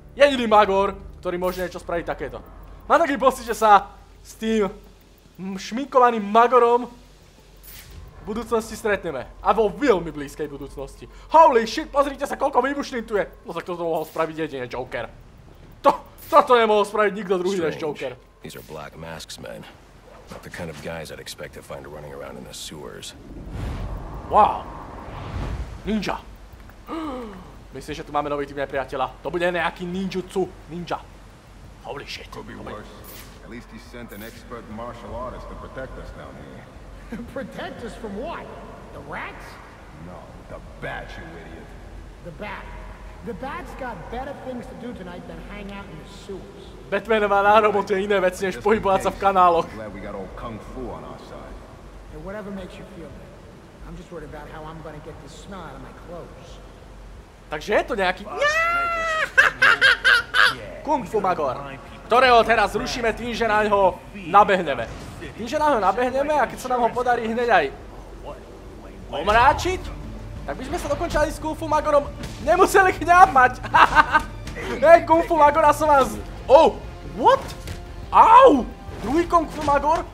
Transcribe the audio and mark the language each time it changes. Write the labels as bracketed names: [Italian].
[Slovak] Jediný magor, ktorý môže niečo spraviť takéto. Mám taký pocit, že sa s tým šminkovaným magorom v budúcnosti stretneme. A vo veľmi blízkej budúcnosti. [English] Holy shit, [Slovak] pozrite sa, koľko výbušných tu je. No tak toto mohol spraviť jedine Joker. Toto nemohol spraviť nikto druhý než Joker. [English] These are black masks, men. Not the kind of guys I'd expect to find running around in the sewers. Wow. Ninja. [Slovak] Myslím, že tu máme nový tým nepriateľa. To bude nejaký ninjutsu. Ninja. [English] Holy shit. [Slovak] To bude horšie. [English] At least he sent an expert martial artist to protect us down here. Protect us from what? The rats? No, the bat, you idiot. The bat. The bat's got better things to do tonight than hang out in the sewers. [Slovak] Batman má na robote iné veci, než pohybovať sa v kanáloch. [English] I'm glad we got old kung fu on our side. And whatever makes you feel better. I'm just worried about how I'm gonna get this snot out of my clothes. [Slovak] Takže je to nejaký... Kung fu magor. Ktorého teraz rušíme tým, že naňho nabehneme. Tým, že naňho nabehneme a keď sa nám ho podarí hneď aj omráčiť, tak by sme sa dokončali s Kung Fu Magorom, nemuseli chňapať. Hej, Kung Fu Magora som vás... [English] Oh, what? [Slovak] Au! Druhý Kung Fu Magor?